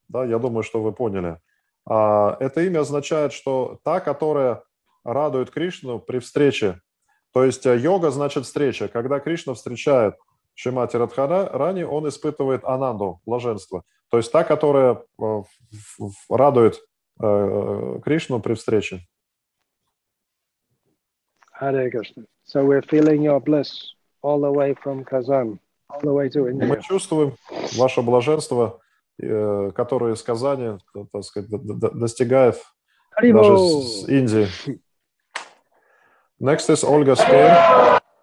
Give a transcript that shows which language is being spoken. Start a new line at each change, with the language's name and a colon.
Russian: Да, я думаю, что вы поняли. Это имя означает, что та, которая радует Кришну при встрече. То есть йога значит встреча. Когда Кришна встречает Шримати Радхарани, он испытывает ананду, блаженство. То есть та, которая радует Кришну при встрече.
English: Hare Krishna. So we're feeling your bliss all the way from Kazan, all the way to India.
Russian: Мы чувствуем ваше блаженство, которые из Казани, так сказать, достигает даже с Индии.
English: Next is Olga Speer.